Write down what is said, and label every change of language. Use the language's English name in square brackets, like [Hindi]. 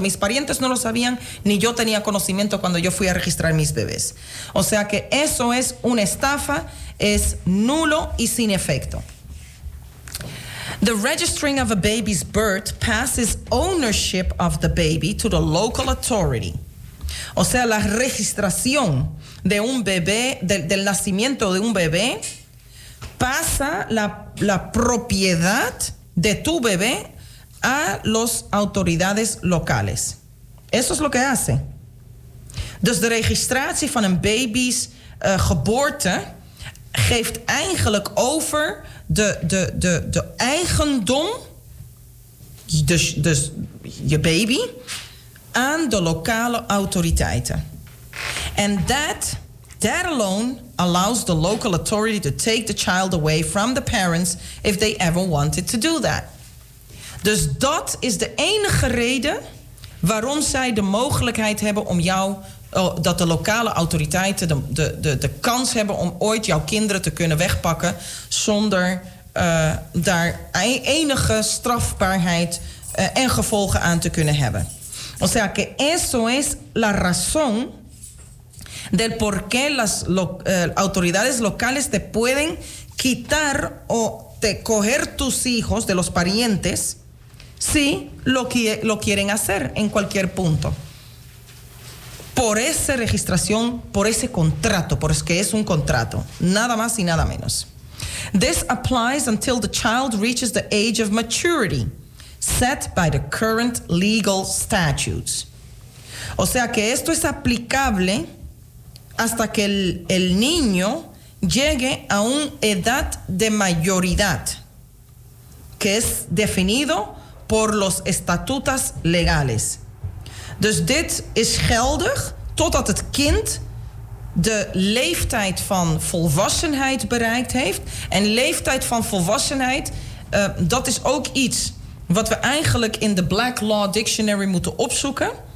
[Spanish] Mis parientes no lo sabían, ni yo tenía conocimiento cuando yo fui a registrar mis bebés. O sea que eso es una estafa, es nulo y sin efecto. [English] The registering of a baby's birth passes ownership of the baby to the local authority. [Spanish] O sea, la registración de un bebé, del nacimiento de un bebé, pasa la propiedad de tu bebé a las autoridades locales. Eso es lo que hace. [Dutch] Dus de registratie van een baby's geboorte geeft eigenlijk over de eigendom, dus je baby, aan de lokale autoriteiten. [English] And that alone allows the local authority to take the child away from the parents if they ever wanted to do that. [Dutch] Dus dat is de enige reden waarom zij de mogelijkheid hebben om jou, dat de lokale autoriteiten de kans hebben om ooit jouw kinderen te kunnen wegpakken zonder daar enige strafbaarheid en gevolgen aan te kunnen hebben. [Spanish] O sea que eso es la razón del por qué las autoridades locales te pueden quitar o te coger tus hijos de los parientes si lo quieren hacer en cualquier punto. Por esa registración, por ese contrato, porque es un contrato, nada más y nada menos. [English] This applies until the child reaches the age of maturity set by the current legal statutes. [Spanish] O sea que esto es aplicable hasta que el niño llegue a una edad de mayoridad, que es definido por los estatutos legales. [Dutch] Dus dit is geldig totdat het kind de leeftijd van volwassenheid bereikt heeft. En leeftijd van volwassenheid, dat is ook iets wat we eigenlijk in de Black Law Dictionary moeten opzoeken.